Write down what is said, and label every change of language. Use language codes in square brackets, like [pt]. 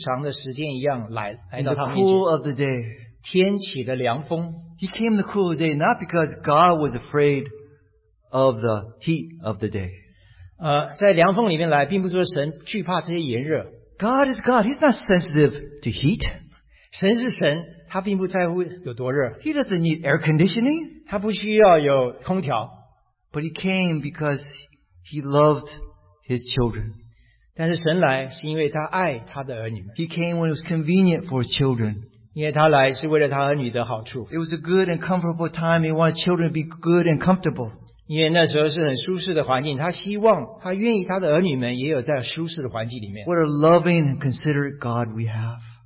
[zh] 因为神在那时候仍然照素常的时间一样来到他们面前。 [en] In the cool of the day. [zh] 天起的凉风。 [en] He came in the cool of the day not because God was afraid of the heat of the day. [zh] 在凉风里面来并不是说神惧怕这些炎热。 [en] God is God. He's not sensitive to heat. [zh] 神是神。他并不在乎有多热, [en] he doesn't need air conditioning. [zh] 他不需要有空调, [en] but he came because he loved his children. [zh] 但是神来是因为他爱他的儿女们, [en] he came when it was convenient for his children. It was a good and comfortable time. He wanted children to be good and comfortable. [zh] 因为那时候是很舒适的环境, 他愿意他的儿女们也有在舒适的环境里面。 [en] What a loving and considerate God we have.